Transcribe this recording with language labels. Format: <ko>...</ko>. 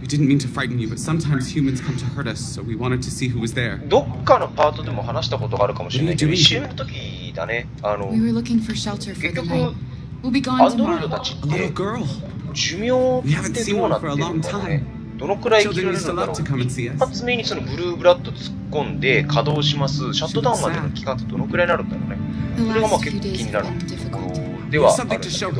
<en>We didn't mean to frighten you, but sometimes humans come to hurt us, so we wanted to see who was there.</en> <ja>どっかのパートでも話したことがあるかもしれないけど、一瞬の時だね。</ja> <en>We were looking for shelter for the night. We'll be gone tomorrow.</en> <ja>アンドロイドたちって、</ja> <en>little girl.</en> <ja>寿命ってどうなってるのかね。どのくらい生きられるんだろう。一発目にそのブルーブラッド突っ込んで稼働します。シャットダウンまでの期間ってどのくらいになるんだろうね。それがまあ結構気になる。ではあるんだけど、</ja>